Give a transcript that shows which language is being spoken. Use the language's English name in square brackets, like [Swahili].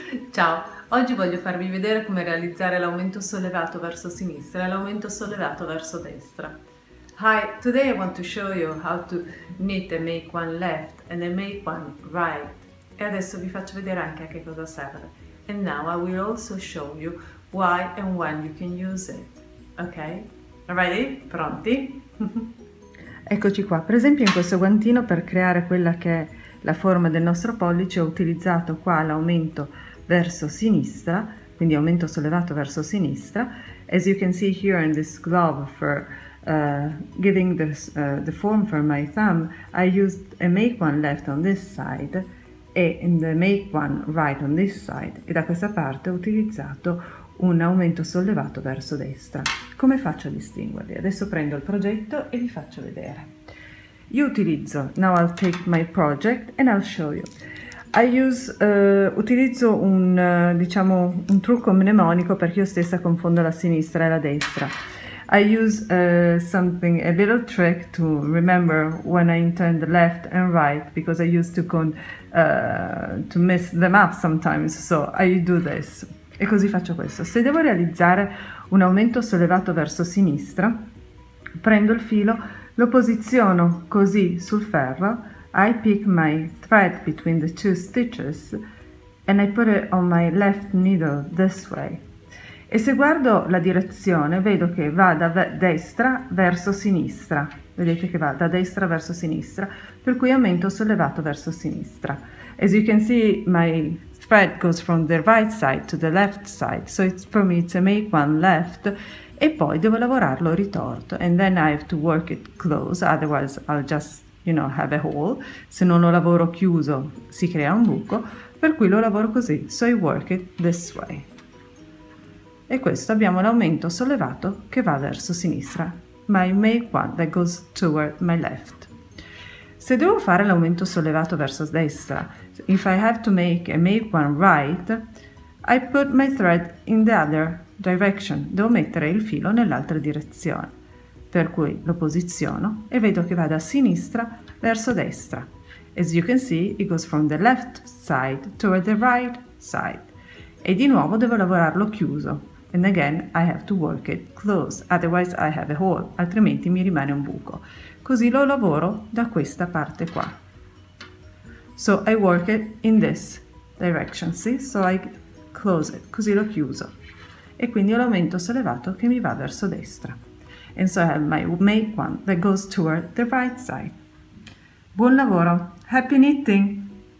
[Italian] Ciao, oggi voglio farvi vedere come realizzare l'aumento sollevato verso sinistra e l'aumento sollevato verso destra. [English] Hi, today I want to show you how to knit and make one left and then make one right. [Italian] E adesso vi faccio vedere anche a che cosa serve. [English] And now I will also show you why and when you can use it. Ok? Ready? Pronti? [Italian] Eccoci qua. Per esempio, in questo guantino, per creare quella che è la forma del nostro pollice, ho utilizzato qua l'aumento verso sinistra, quindi aumento sollevato verso sinistra. [English] As you can see here in this glove for giving the form for my thumb, I used a make one left on this side e in the make one right on this side, [Italian] e da questa parte ho utilizzato un aumento sollevato verso destra. Come faccio a distinguerli? Adesso prendo il progetto e vi faccio vedere. Io utilizzo, [English] now I'll take my project and I'll show you. [Italian] Utilizzo un trucco mnemonico, perché io stessa confondo la sinistra e la destra. [English] I use something, a little trick to remember when I intend left and right, because I used to mess them up sometimes, so I do this. [Italian] E così faccio questo. Se devo realizzare un aumento sollevato verso sinistra, prendo il filo, lo posiziono così sul ferro, [English] I pick my thread between the two stitches and I put it on my left needle this way. [Italian] E se guardo la direzione, vedo che va da destra verso sinistra. Vedete che va da destra verso sinistra, per cui aumento sollevato verso sinistra. [English] As you can see, my thread goes from the right side to the left side, so it's for me to make one left. [Italian] E poi devo lavorarlo ritorto. [English] And then I have to work it close, otherwise I'll just, you know, have a hole. [Italian] Se non lo lavoro chiuso, si crea un buco, per cui lo lavoro così, [English] so I work it this way. [Italian] E questo abbiamo l'aumento sollevato che va verso sinistra, [English] my make one that goes toward my left. [Italian] Se devo fare l'aumento sollevato verso destra, [English] if I have to make a make one right, I put my thread in the other direction, [Italian] devo mettere il filo nell'altra direzione. Per cui lo posiziono e vedo che va da sinistra verso destra. [English] As you can see, it goes from the left side toward the right side. [Italian] E di nuovo devo lavorarlo chiuso. [English] And again, I have to work it closed, otherwise I have a hole, [Italian] altrimenti mi rimane un buco. Così lo lavoro da questa parte qua. [English] So I work it in this direction, see? So I close it, [Italian] così l'ho chiuso. E quindi ho l'aumento sollevato che mi va verso destra. [English] And so I have my make one that goes toward the right side. [Italian] Buon lavoro! [English] Happy knitting!